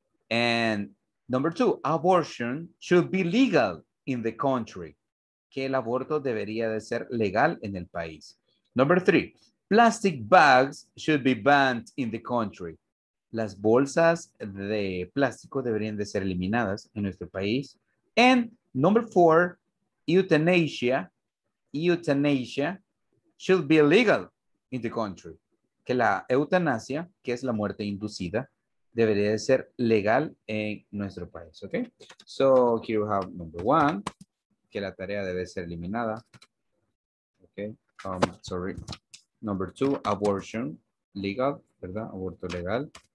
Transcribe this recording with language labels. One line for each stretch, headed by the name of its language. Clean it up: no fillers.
English: And number two, abortion should be legal in the country.
Spanish: Que el aborto debería de ser legal en el país.
English: Number three, plastic bags should be banned in the country.
Spanish: Las bolsas de plástico deberían de ser eliminadas en nuestro país.
English: And number four, euthanasia should be illegal in the country.
Spanish: Que la eutanasia, que es la muerte inducida, debería de ser legal en nuestro país.
English: Okay? So here we have number one,
Spanish: que la tarea debe ser eliminada.
English: Okay? Sorry. Number two, abortion legal, ¿verdad?
Spanish: Aborto legal.